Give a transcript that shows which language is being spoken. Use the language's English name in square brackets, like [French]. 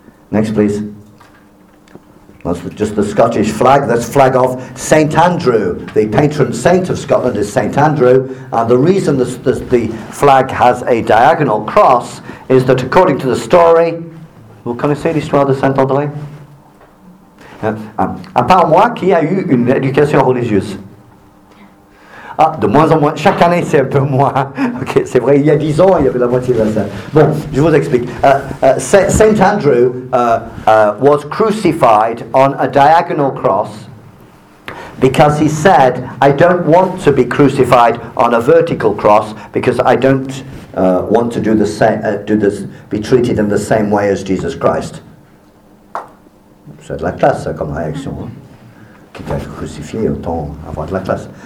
[English] Next, please. That's just the Scottish flag. That's the flag of St. Andrew. The patron saint of Scotland is St. Andrew. And the reason the flag has a diagonal cross is that, according to the story... [French] Vous connaissez l'histoire de Saint-André? À part moi, qui a eu une éducation religieuse? Ah, de moins en moins. Chaque année, c'est un peu moins. Ok, c'est vrai. Il y a 10 ans, il y avait la moitié de ça. Bon, je vous explique. [English] Saint Andrew was crucified on a diagonal cross because he said, "I don't want to be crucified on a vertical cross because I don't want to do the same. Be treated in the same way as Jesus Christ." [French] C'est de la classe, ça, comme réaction. Hein? Quelqu'un est crucifié, autant avoir de la classe.